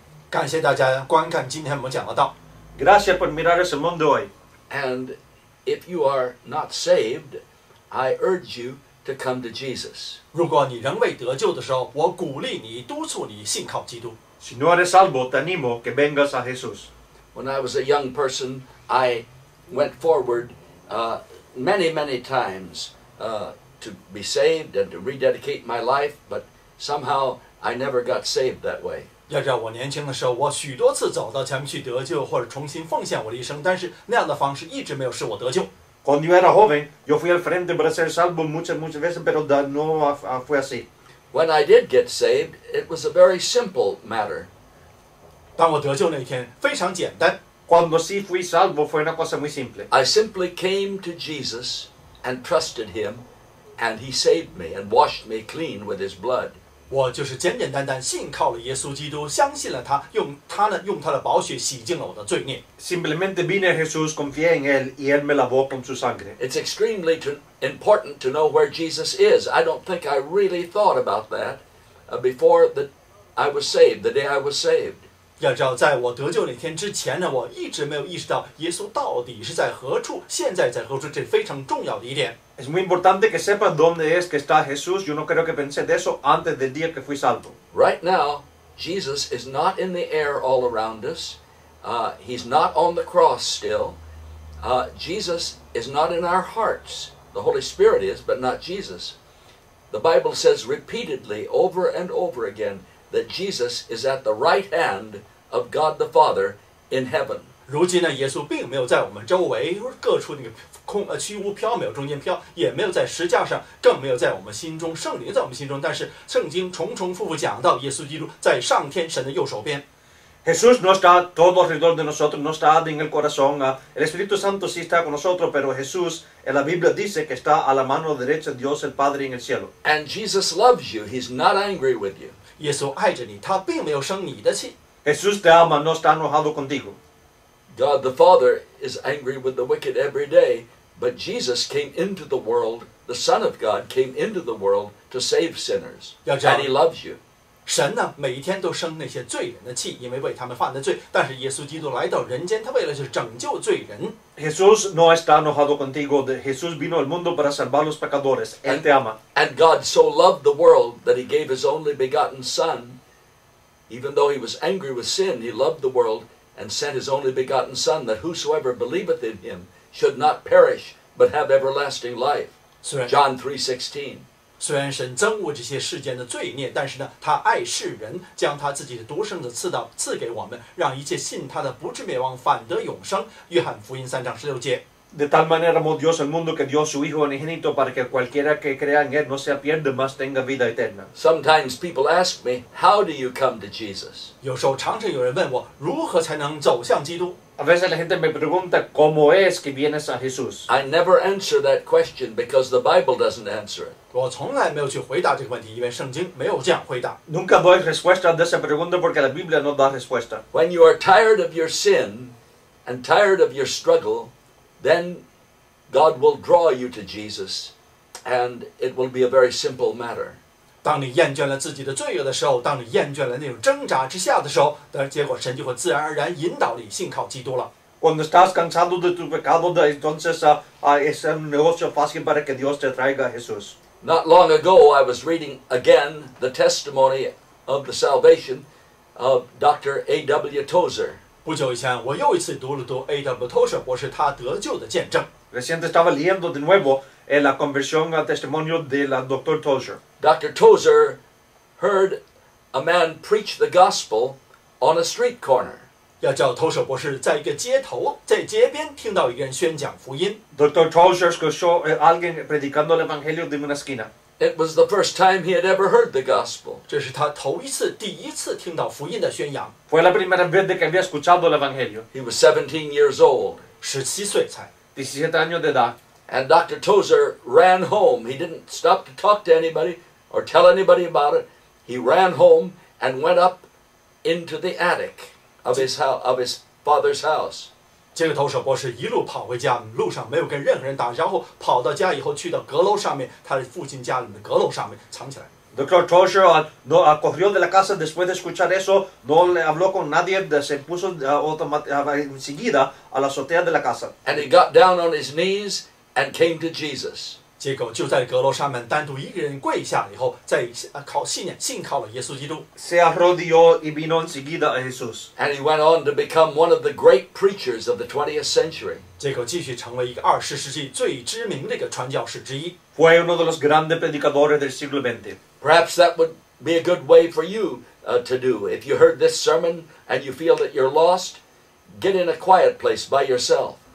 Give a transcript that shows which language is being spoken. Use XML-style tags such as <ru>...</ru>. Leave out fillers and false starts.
<zh>感谢大家观看今天我们讲的道。</zh> <es>Gracias por mirar el sermón de hoy.</es> <en>And if you are not saved, I urge you to come to Jesus.</en> <zh>如果你仍未得救的时候，我鼓励你，督促你信靠基督。</zh> <es>Si no eres salvo, te animo que vengas a Jesús.</es> <en>When I was a young person, I went forward many times. To be saved and to rededicate my life, but somehow I never got saved that way.</en> <zh>要知道我年轻的时候，我许多次走到前面去得救或者重新奉献我的一生，但是那样的方式一直没有使我得救。</zh> <es>Cuando era joven, yo fui al frente para ser salvo muchas veces, pero no fue así.</es> <en>When I did get saved, it was a very simple matter.</en> <zh>当我得救那一天，非常简单。</zh> <es>Cuando sí fui salvo, fue una cosa muy simple.</es> <en>I simply came to Jesus and trusted Him. And he saved me and washed me clean with his blood.</en> <zh>我就是简简单单信靠了耶稣基督，相信了他，用他的宝血洗净了我的罪孽。</zh> <es>Simplemente vine a Jesús, confié en él y él me lavó con su sangre.</es> <en>It's extremely important to know where Jesus is. I don't think I really thought about that before that I was saved. The day I was saved.</en> <zh>要知道，在我得救那天之前呢，我一直没有意识到耶稣到底是在何处，现在在何处，这非常重要的一点。</zh> <es>Es muy importante que sepas dónde es que está Jesús. Yo no creo que pensé de eso antes del día que fui salvo.</es> <en>Right now, Jesus is not in the air all around us. He's not on the cross still. Jesus is not in our hearts. The Holy Spirit is, but not Jesus. The Bible says repeatedly, over and over again, that Jesus is at the right hand of God the Father in heaven.</en> <zh>如今呢，耶稣并没有在我们周围各处那个。空虚无缥缈中间飘，也没有在石架上，更没有在我们心中。圣灵在我们心中，但是圣经重重复复讲到耶稣基督在上天神的右手边。</zh> <es>Jesús no está todo alrededor de nosotros, no está en el corazón. El Espíritu Santo sí está con nosotros, pero Jesús en la Biblia dice que está a la mano derecha de Dios el Padre en el cielo.</es> <en>And Jesus loves you. He's not angry with you.</en> <zh>耶稣爱着你，他并没有生你的气。</zh> <es>Jesús te ama, no está enojado contigo.</es> <en>God the Father is angry with the wicked every day, but Jesus came into the world, the Son of God came into the world to save sinners, and he loves you.</en> <zh>神呢，每一天都生那些罪人的气，因为为他们犯的罪，但是耶稣基督来到人间，他为了就是拯救罪人。</zh> <es>Jesús no está enojado contigo, Jesús vino al mundo para salvar los pecadores, él te ama.</es> <en>And God so loved the world that he gave his only begotten Son, even though he was angry with sin, he loved the world,And sent his only begotten Son, that whosoever believeth in him should not perish, but have everlasting life. John 3:16.</en> <zh>虽然神憎恶这些世间的罪孽，但是呢，他爱世人，将他自己的独生子赐给我们，让一切信他的不至灭亡，反得永生。约翰福音3:16。</zh> <es>De tal manera amó Dios el mundo que dio su Hijo unigénito para que cualquiera que crea en Él no se pierda, mas tenga vida eterna.</es> <en>Sometimes people ask me, how do you come to Jesus?</en> <zh>有时候常常有人问我，如何才能走向基督？</zh> <es>A veces la gente me pregunta, ¿cómo es que vienes a Jesús?</es> <en>I never answer that question because the Bible doesn't answer it.</en> <zh>我从来没有去回答这个问题，因为圣经没有这样回答。</zh> <es>Nunca doy respuesta a esa pregunta porque la Biblia no da respuesta.</es> <en>When you are tired of your sin and tired of your struggle, then God will draw you to Jesus and it will be a very simple matter.</en> <zh>当你厌倦了自己的罪恶的时候，当你厌倦了那种挣扎之下的时候，那结果神就会自然而然引导你信靠基督了。</zh> <es>Cuando estás cansado de tu pecado, entonces es un negocio fácil para que Dios te traiga a Jesús.</es> <en>Not long ago, I was reading again the testimony of the salvation of Dr. A.W. Tozer.</en> <zh>不久以前，我又一次读了读 A.W. Tozer 博士他得救的见证。</zh> <es>Reciente estaba leyendo de nuevo la conversión al testimonio de la Dr. Tozer.</es> <en>Dr. Tozer heard a man preach the gospel on a street corner.</en> <zh>要叫 Tozer 博士在一个街头，在街边听到一个人宣讲福音。</zh> <es>Dr. Tozer escuchó a alguien predicando el evangelio de una esquina.</es> <en>It was the first time he had ever heard the gospel.</en> <zh>这是他头一次，第一次听到福音的宣扬。</zh> <es>Fue la primera vez que había escuchado el evangelio.</es> <en>He was 17 years old.</en> <zh>17岁才。</zh> <es>17 años de edad。</es> <en>And Dr. Tozer ran home. He didn't stop to talk to anybody or tell anybody about it. He ran home and went up into the attic of his father's house.</en> <zh>这个投手博士一路跑回家，路上没有跟任何人打，然后跑到家以后去到阁楼上面，他的父亲家里的阁楼上面藏起来。</zh> <es>Dr. Tozer no corrió de la casa después de escuchar eso, no le habló con nadie, se puso enseguida a la azotea de la casa.</es> <en>And he got down on his knees. And came to Jesus.</en> <zh>结果就在阁楼上面单独一个人跪下以后，再靠信念信靠了耶稣基督。</zh> <es>Se arrodilló y vino enseguida a Jesús.</es> <en>And he went on to become one of the great preachers of the 20th century.</en> <zh>结果继续成为一个二十世纪最知名的一个传教士之一。</zh> <es>Fue uno de los grandes predicadores del siglo XX.</es> <en>Perhaps that would be a good way for you to do. If you heard this sermon and you feel that you're lost, get in a quiet place by yourself.</en>